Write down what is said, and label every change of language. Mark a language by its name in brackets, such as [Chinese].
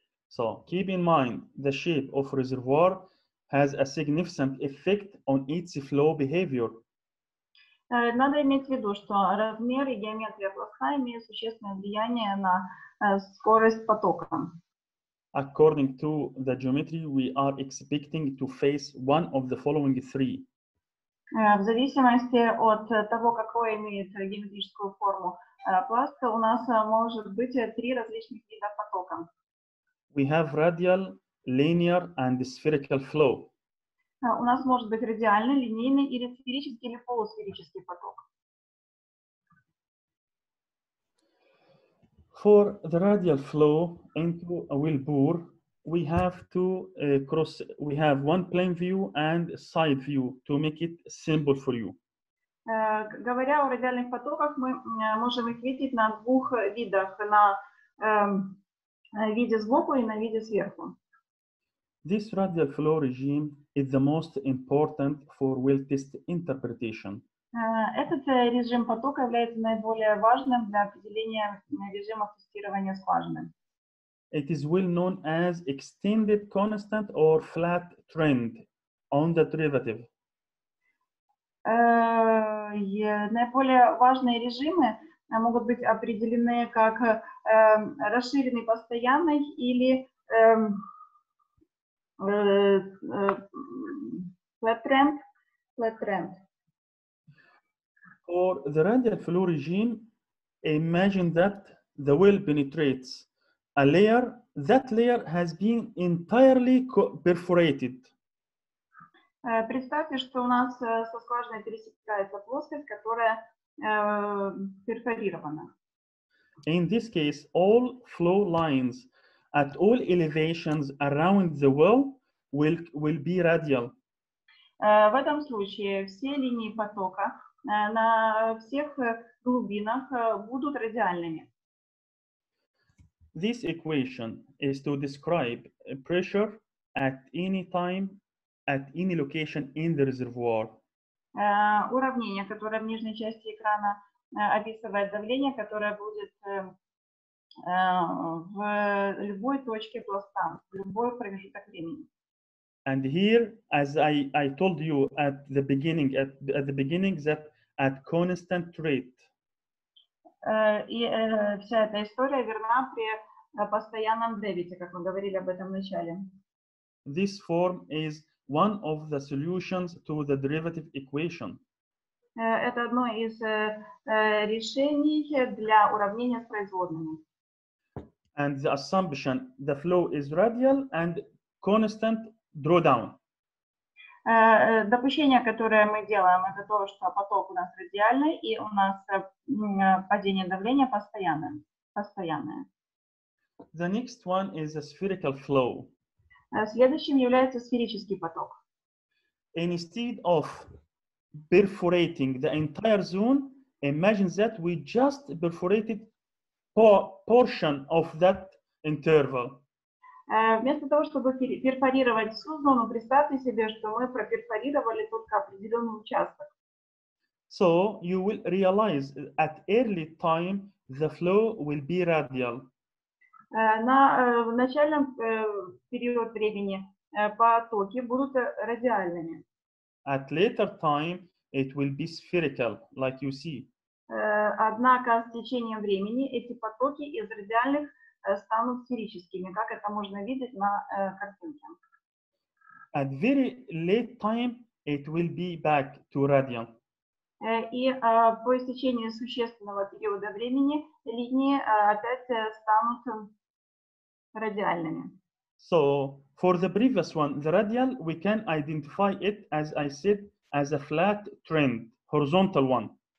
[English] So, keep in mind, the shape of reservoir has a significant effect on its flow behavior. [Russian] Надо иметь в виду, что размер и геометрия плоска имеют существенное влияние на скорость потока. [English] According to the geometry, we are expecting to face one of the following three. [Russian] В зависимости от того, какой имеет геометрическую форму пласт, у нас может быть три различных вида потока. [English] We have radial, linear and spherical flow. [Russian] У нас может быть радиальный, линейный или сферический или полусферический поток. [English] For the radial flow into a wheelbore, we have to cross. We have one plane view and side view to make it simple for you. [Russian] Говоря о радиальных потоках, мы можем их видеть на двух видах: на виде сбоку и на виде сверху. [English] This radial flow regime is the most important for well test interpretation. [Russian] Этот режим потока является наиболее важным для определения режима тестирования скважины. [English] It is well known as extended constant or flat trend on the derivative. [Russian] Наиболее важные режимы могут быть определены как расширенный постоянный или flat trend. [English] For the radial flow regime, imagine that the well penetrates a layer. That layer has been entirely perforated. [Russian] Представьте, что у нас со скважиной пересекается плоскость, которая перфорирована. [English] In this case, all flow lines at all elevations around the well will be radial. [Russian] В этом случае все линии потока на всех глубинах будут радиальными. [English] This equation is to describe pressure at any time, at any location in the reservoir. [Russian] Уравнение, которое в нижней части экрана описывает давление, которое будет в любой точке пласта, в любой промежуток времени. [English] And here, as I told you at the beginning, at the beginning, that at constant rate. [Russian] Вся эта история верна при постоянном дебите, как мы говорили об этом в начале. [English] This form is one of the solutions to the derivative equation. [Russian] Это одно из решений для уравнения с производными. [English] And the assumption, the flow is radial and constant. [Russian] Допущение, которое мы делаем, это то, что поток у нас радиальный и у нас падение давления постоянное. [English] The next one is a spherical flow. [Russian] Следующим является сферический поток. [English] Instead of perforating the entire zone, imagine that we just perforated portion of that interval. [Russian] Вместо того, чтобы перфорировать всю зону, представьте себе, что мы проперфорировали только определенный участок. [English] So you will realize at early time the flow will be radial. [Russian] На начальном периоде времени потоки будут радиальными. [English] At later time it will be spherical, like you see. [Russian] Однако с течением времени эти потоки из радиальных станут сферическими, как это можно видеть на картинке. [English] At very late time it will be back to radiant. [Russian] И по истечении существенного периода времени линии опять станут радиальными. [English] So, for the previous one, the radial, we can identify it, as I said, as a flat trend, horizontal one.